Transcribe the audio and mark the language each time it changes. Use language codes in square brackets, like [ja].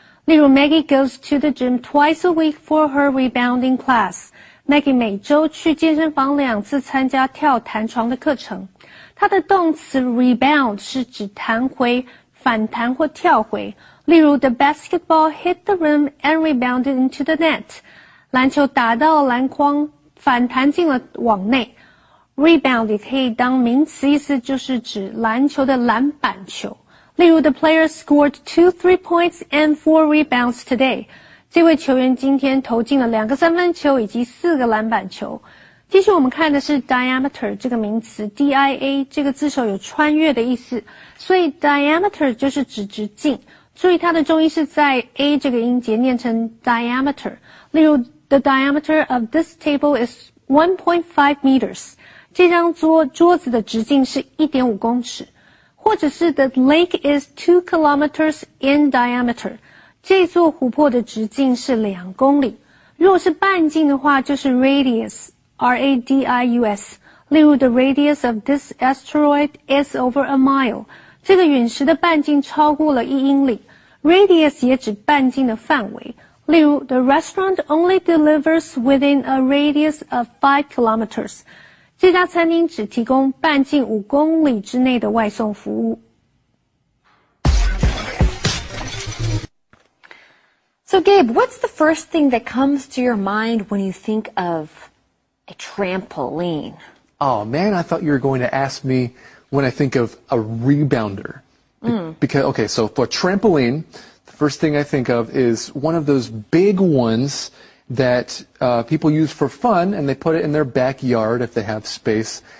[zh] 例如 [en] ，Maggie goes to the gym twice a week for her rebounding class. [zh] Maggie 每周去健身房两次参加跳弹床的课程。它的动词 rebound 是指弹回、反弹或跳回。例如 [en] ，The basketball hit the rim and rebounded into the net. [zh] 篮球打到篮筐，反弹进了网内。 Rebound 也可以当名词，意思就是指篮球的篮板球。例如 [en] ,The player scored 2 3-point and 4 rebounds today. [zh] 这位球员今天投进了两个三分球以及四个篮板球。继续我们看的是 diameter 这个名词 ,DIA, 这个字首有穿越的意思。所以 diameter 就是指直径。注意它的重音是在 A 这个音节念成 diameter。例如 [en] ,The diameter of this table is 1.5 meters. [zh] 这张 桌子的直径是 1.5 公尺。或者是 [en] ,The lake is 2 kilometers in diameter. [zh] 这座湖泊的直径是2公里。如果是半径的话就是 radius, R-A-D-I-U-S。例如 [en] ,The radius of this asteroid is over a mile. [zh] 这个陨石的半径超过了1英里。 [en] Radius [zh] 也指半径的范围。例如 [en] ,The restaurant only delivers within a radius of 5 kilometers. [zh] 这家餐厅只提供半径5公里之内的外送服务。 [en] So Gabe, what's the first thing that comes to your mind when you think of a trampoline? Oh man, I thought you were going to ask me when I think of a rebounder. Because, okay, so for trampoline... First thing I think of is one of those big ones that people use for fun, and they put it in their backyard if they have space.